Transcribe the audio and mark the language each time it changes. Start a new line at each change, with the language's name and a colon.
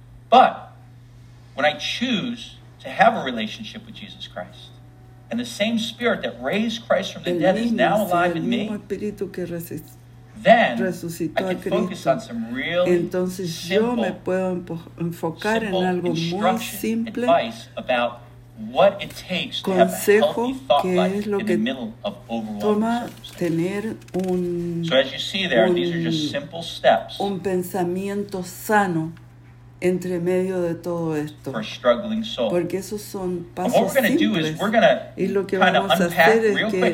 English: But when I choose to have a relationship with Jesus Christ, and the same spirit that raised Christ from the dead is now alive in me, then I can focus on some really
Spanish: entonces yo me puedo enfocar en algo muy simple,
English: advice about what it takes to have a healthy thought life in the middle of overwhelming circumstances. So as you see there, these are just simple steps.
Spanish: Un pensamiento sano entre medio de todo esto, porque esos son pasos simples y lo que vamos a hacer es que